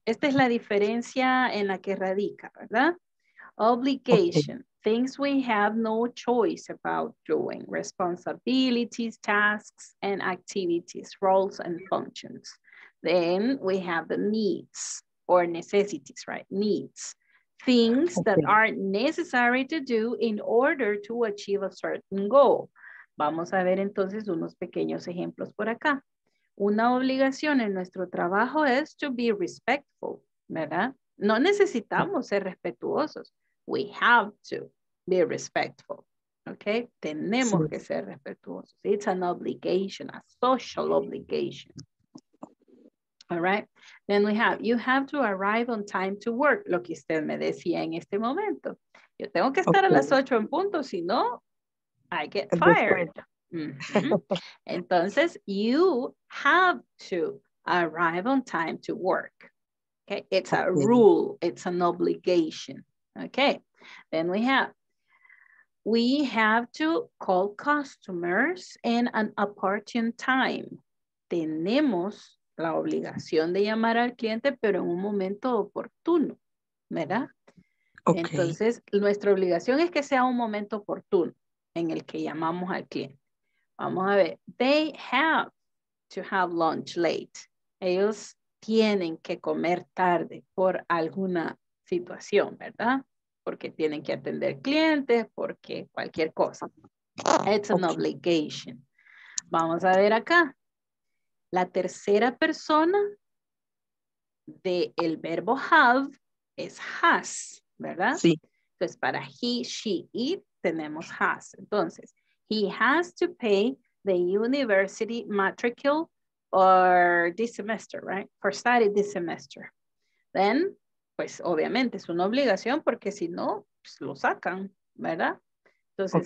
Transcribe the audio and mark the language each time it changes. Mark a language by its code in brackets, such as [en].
[es] Esta es la diferencia en la que radica, ¿verdad? [en] Obligation, okay. Things we have no choice about doing, responsibilities, tasks, and activities, roles and functions. Then we have the needs or necessities, right? Needs, things okay. That are necessary to do in order to achieve a certain goal. [es] Vamos a ver entonces unos pequeños ejemplos por acá. Una obligación en nuestro trabajo es [en] to be respectful, [es] ¿verdad? No necesitamos ser respetuosos. [en] We have to be respectful, okay? [es] Tenemos sí. Que ser respetuosos. [en] It's an obligation, a social obligation. All right? Then we have, you have to arrive on time to work, [es] lo que usted me decía en este momento. Yo tengo que estar okay. A las 8 en punto, si no, [en] I get fired. Entonces, you have to arrive on time to work. Okay, it's a rule, it's an obligation. Okay, then we have to call customers in an opportune time. [es] Tenemos la obligación de llamar al cliente, pero en un momento oportuno, ¿verdad? Okay. Entonces, nuestra obligación es que sea un momento oportuno en el que llamamos al cliente. Vamos a ver, [en] they have to have lunch late. [es] Ellos tienen que comer tarde por alguna situación, ¿verdad? Porque tienen que atender clientes, porque cualquier cosa. [en] It's an obligation. [es] Vamos a ver acá. La tercera persona del verbo have es has, ¿verdad? Sí. Entonces, para he, she, it, tenemos has. [en] Entonces, he has to pay the university matricule or this semester, right? For study this semester. Then, [es] pues obviamente es una obligación porque si no, pues lo sacan, ¿verdad? Entonces,